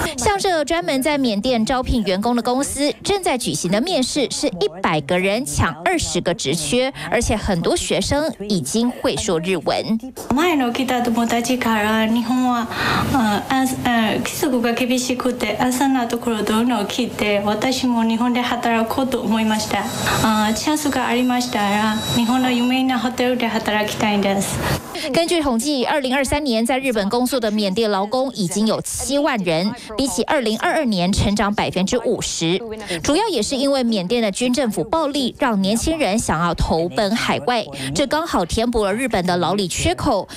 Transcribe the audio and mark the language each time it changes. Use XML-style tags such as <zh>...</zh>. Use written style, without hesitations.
<zh>像这专门在缅甸招聘员工的公司，正在举行的面试是100个人抢20个职缺，而且很多学生已经会说日文。</zh> <ja>前の来た友達から日本は規則が厳しくて朝なところどうのを聞いて、私も日本で働こうと思いました。チャンスがありましたら日本の有名なホテルで働きたいです。</ja> <zh>根据统计，2023年在日本工作的缅甸劳工已经有7万人，比起2022年成长50%。主要也是因为缅甸的军政府暴力，让年轻人想要投奔海外，这刚好填补了日本的劳力缺口。</zh>